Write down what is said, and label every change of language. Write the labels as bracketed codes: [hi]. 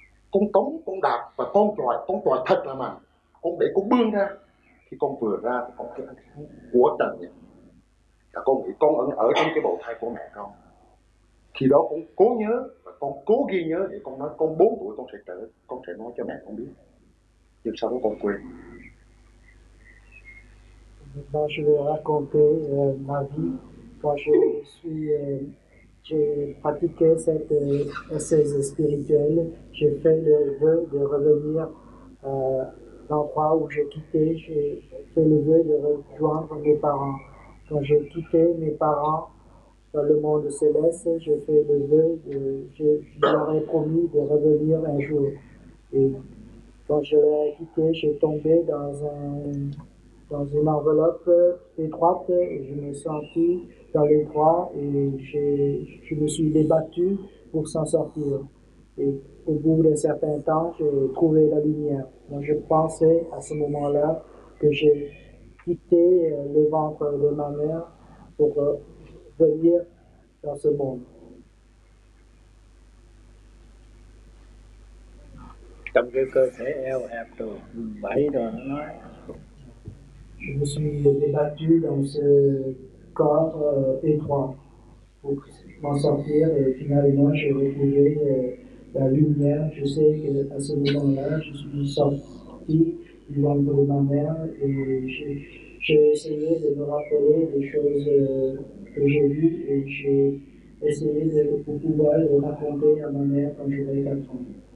[vi] Con tống, con đạp và con tròi thật là mà. Con để con bươn ra. Khi con vừa ra thì con thấy ánh sáng của trần nhỉ. Là con nghĩ con ở trong cái bầu thai của mẹ con. Khi đó con cố nhớ và con cố ghi nhớ để con nói con 4 tuổi con sẽ trở, con sẽ nói cho mẹ con biết. Nhưng sau đó con quên. [fr] Quand je vais raconter ma vie, quand j'ai pratiqué cette assise spirituelle, j'ai fait le vœu de revenir l'endroit où j'ai quitté, j'ai fait le vœu de rejoindre mes parents. Quand j'ai quitté mes parents dans le monde céleste, j'ai fait le vœu, je leur ai promis de revenir un jour. Et quand je l'ai quitté, j'ai tombé dans une enveloppe étroite et je me suis senti dans les bras et je me suis débattu pour s'en sortir. Et au bout d'un certain temps, j'ai trouvé la lumière. Donc je pensais à ce moment-là que j'ai quitté le ventre de ma mère pour venir dans ce monde. [vi] Trong cái cơ thể eo hẹp rồi, bảy rồi nó nói. [fr] Je me suis débattu dans ce corps étroit pour m'en sortir et finalement j'ai retrouvé la lumière. Je sais qu'à ce moment-là, je suis sorti du ventre de ma mère et j'ai essayé de me rappeler des choses que j'ai vues et j'ai essayé de pouvoir le raconter à ma mère quand j'avais 4 ans.